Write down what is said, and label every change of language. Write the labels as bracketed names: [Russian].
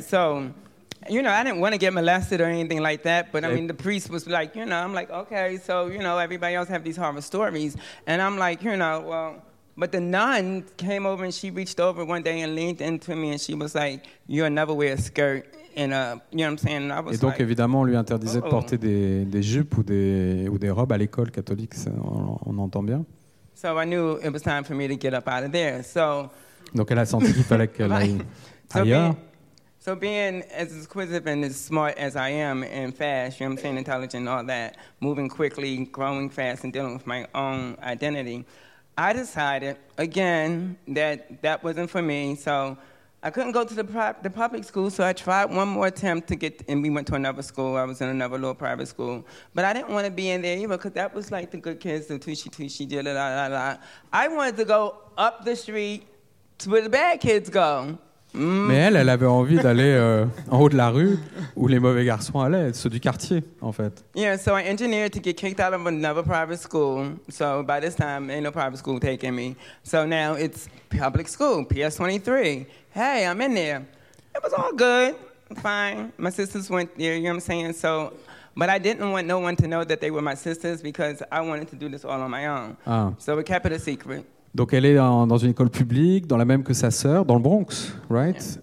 [English] so, you know, I didn't want to get molested or anything like that, but I mean, the priest was like, you know, I'm like, okay, so, you know, everybody else have these horror stories. And I'm like, you know, well, but the nun came over and she reached over one day and leaned into me and she was like, you'll never wear a skirt. [French] Et donc, [English] like, [French] évidemment, on lui interdisait de porter des jupes ou des robes à l'école catholique, on entend bien. [English] So I knew it was time for me to get up out of there. So, [French] donc elle a senti qu'il fallait qu'elle aille ailleurs. [English] So being as inquisitive and as smart as I am and fast, you know what I'm saying, intelligent and all that, moving quickly, growing fast and dealing with my own identity, I decided, again, that wasn't for me, so I couldn't go to the public school, so I tried one more attempt to get, and we went to another school. I was in another little private school. But I didn't want to be in there either, because that was like the good kids, the tushy-tushy, da-da-da-da-da. I wanted to go up the street to where the bad kids go. [French] Mais elle avait envie d'aller en haut de la rue où les mauvais garçons allaient, ceux du quartier, en fait. [English] Yeah, so I engineered to get kicked out of another private school. So by this time, ain't no private school taking me. So now it's public school, PS23. Hey, I'm in there. It was all good, fine. My sisters went there, you know what I'm saying? So, but I didn't want no one to know that they were my sisters because I wanted to do this all on my own. Ah. So we kept it a secret. [French] Donc elle est dans une école publique, dans la même que sa sœur, dans le Bronx, right?